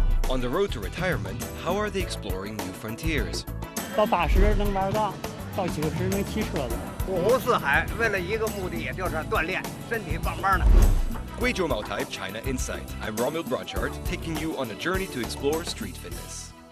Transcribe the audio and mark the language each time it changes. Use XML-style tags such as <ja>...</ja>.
<en>On the road to retirement, how are they exploring new frontiers?</en> <zh>到八十能玩杠，到九十能骑车的。五湖四海，为了一个目的，也就是锻炼身体，棒棒的。</zh> <en>Guizhou Maotai, China Insight. I'm Romil Brochard, taking you on a journey to explore street fitness.</en>